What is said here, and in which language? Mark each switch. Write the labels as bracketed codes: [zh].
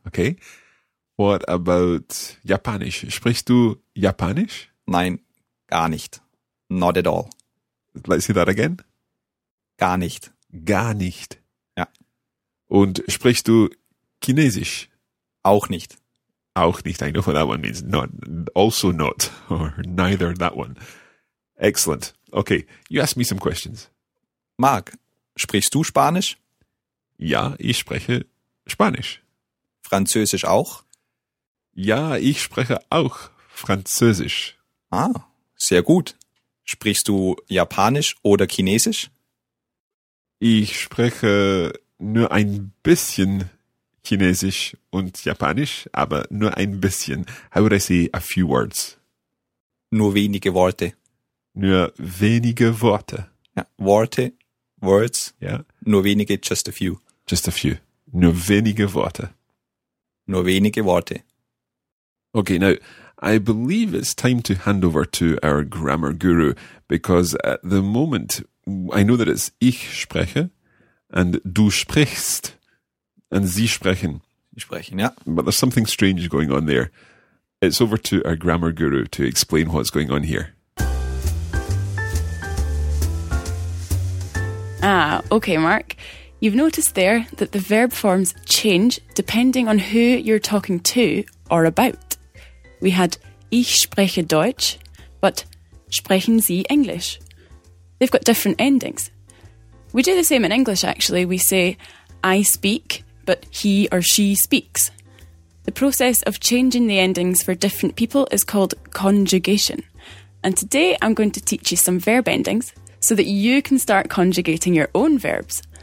[en] Okay. What about Japanisch? [de] Sprichst du Japanisch? Nein, gar nicht. [en] Not at all. Let's say that again. [de] Gar nicht. Gar nicht. Ja. Und sprichst du Chinesisch? Auch nicht. Auch nicht. [en] I know what that one means. Not, also not. Or neither that one. Excellent. Okay, you ask me some questions. [de] Mark, sprichst du Spanisch? Ja, ich spreche Spanisch. Französisch auch? Ja, ich spreche auch Französisch. Ah, sehr gut. Sprichst du Japanisch oder Chinesisch? Ich spreche nur ein bisschen Chinesisch und Japanisch, aber nur ein bisschen. [en] How would I say a few words? [de] Nur wenige Worte. Nur wenige Worte. Ja, Worte, words, ja. Nur wenige, [en] just a few. Just a few. [de] Nur wenige Worte. Nur wenige Worte. [en] Okay, now, I believe it's time to hand over to our grammar guru, because at the moment, I know that it's [de] ich spreche [en] and [de] du sprichst [en] and [de] sie sprechen. Sie sprechen, ja. [en] But there's something strange going on there. It's over to our grammar guru to explain what's going on here. Ah, okay, Mark. You've noticed there that the verb forms change depending on who you're talking to or about. We had [de] ich spreche Deutsch, [en] but [de] sprechen Sie Englisch? [en] They've got different endings. We do the same in English, actually. We say, I speak, but he or she speaks. The process of changing the endings for different people is called conjugation. And today I'm going to teach you some verb endings so that you can start conjugating your own verbs.